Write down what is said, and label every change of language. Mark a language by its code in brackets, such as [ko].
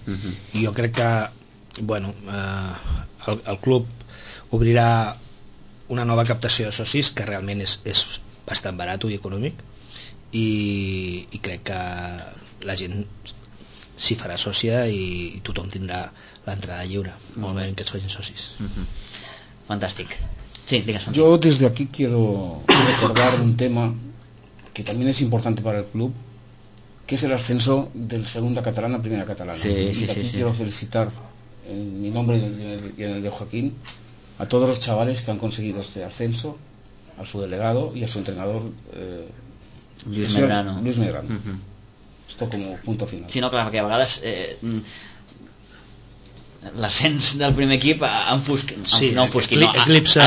[ca] Uh-huh. I jo crec que bueno, el club obrirà una nova captació de socis que realment és bastant barat i econòmic, i crec que la gent s'hi farà sòcia i tothom tindrà l'entrada lliure. Uh-huh. Molt bé que es facin socis. Uh-huh. Fantàstic. Sí, digues, jo des d'aquí [es] quiero recordar un tema que también es importante para el club, que es el ascenso del segunda catalana a primera catalana. Sí, quiero felicitar en mi nombre y en el de Joaquín a todos los chavales que han conseguido este ascenso, a su delegado y a su entrenador, Luis Medrano. Uh-huh. Esto como punto final. [ca] Sí, no, claro, que a vegades l'ascens del primer equip eclipsa